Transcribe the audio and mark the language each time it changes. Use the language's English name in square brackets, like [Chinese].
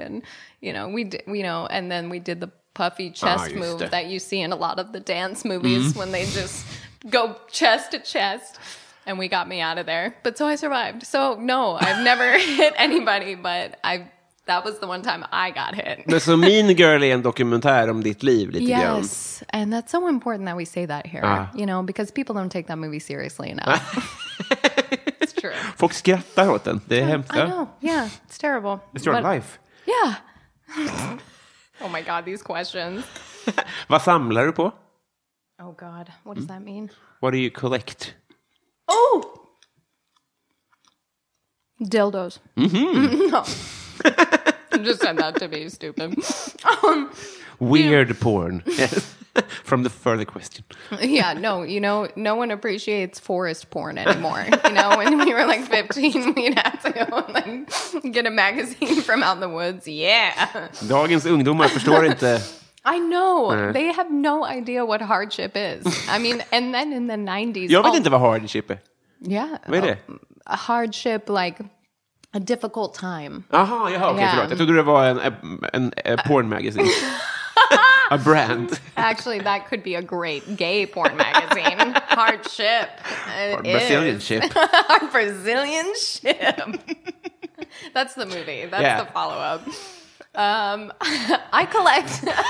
[English] And, you know, and then we did the puffy chest move that you see in a lot of the dance movies when they just go chest to chest, and we got me out of there. But so I survived. So no, I've never hit anybody, but that was the one time I got hit. [Swedish] Men så Mean Girl är en dokumentär om ditt liv lite grann. [English] Yes, and that's so important that we say that here, you know, because people don't take that movie seriously enough. It's true. [Swedish] Folk skrattar åt den. Det är hemskt. [English] I know. Yeah, it's terrible. It's your life. Yeah. Oh my God, these questions. [Swedish] Vad samlar du på? [English] Oh God, what does that mean? What do you collect? Oh! Dildos. Mm-hmm. No. Just said that to be stupid. Weird porn. From the further question. Yeah, no, you know, no one appreciates forest porn anymore. You know, when we were like 15, we'd have to go and like get a magazine from out in the woods. Yeah. [Swedish] Dagens ungdomar förstår inte. [English] I know. Mm. They have no idea what hardship is. I mean, and then in the 90s. [Swedish] Jag vet inte vad hardship är. [English] Yeah. [Swedish] Vad är det? [English] A hardship, like a difficult time. [Swedish] Aha, jaha, okej, [English] okay, yeah. [Swedish] Förlåt. Jag trodde det var en [English] porn magazine. a brand. Actually, that could be a great gay porn magazine. Hard ship. Brazilian ship. Hard Brazilian ship. That's the movie. That's the follow-up. I collect.